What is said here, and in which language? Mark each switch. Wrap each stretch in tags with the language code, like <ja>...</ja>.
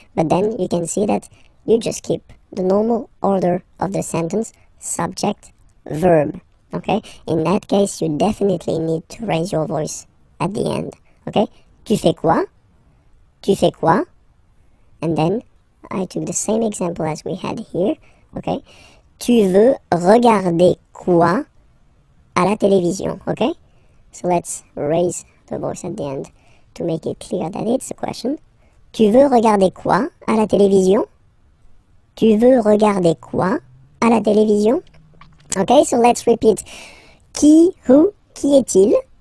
<en>But then you can see that you just keep the normal order of the sentence. Subject, verb, okay? In that case, you definitely need to raise your voice at the end, okay?</en> <fr>Tu fais quoi? Tu fais quoi?</fr> <en>And then, I took the same example as we had here, okay?</en> <fr>Tu veux regarder quoi à la télévision, okay?</fr> <en>So let's raise the voice at the end to make it clear that it's a question.</en> <fr>Tu veux regarder quoi à la télévision? Tu veux regarder quoi? À la télévision.</fr> <en>Okay, so let's repeat. Qui, who,</en> <fr>qui est-il?</fr>